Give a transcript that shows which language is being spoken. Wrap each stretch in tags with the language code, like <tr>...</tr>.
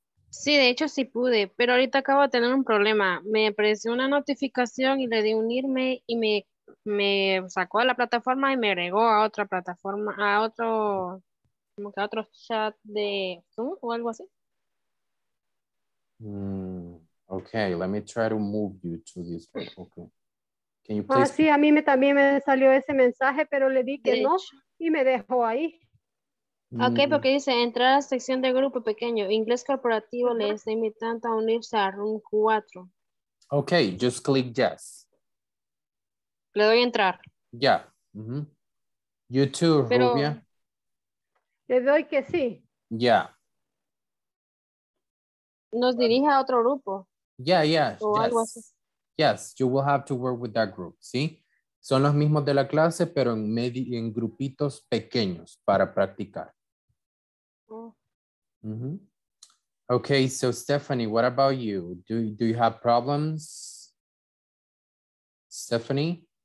<es>Sí, de hecho sí pude, pero ahorita acabo de tener un problema. Me apareció una notificación y le di unirme y me sacó de la plataforma y me agregó a otra plataforma, a otro, como que a otro chat de Zoom o algo así.</es> <en>Okay, let me try to move you to this one. Okay. Can you please?</en> <es>Ah, sí, a mí también me salió ese mensaje, pero le di que no y me dejó ahí. Okay, porque dice entrar a la sección de grupo pequeño. Inglés corporativo le está invitando a unirse a Room 4.</es> <en>Okay, just click yes.</en> <es>Le doy entrar.</es> <en>Yeah. Mm-hmm. You too, pero, Rubia.</en> <es>Le doy que sí.</es> <en>Yeah.</en> <es>Nos dirige a otro grupo.</es> <en>Yeah, yeah. Yes, you will have to work with that group, ¿sí?</en> <es>Son los mismos de la clase, pero en grupitos pequeños para practicar.</es> <en>Oh. Mm-hmm. Okay, so Stephanie, what about you? Do you have problems? Stephanie?</en>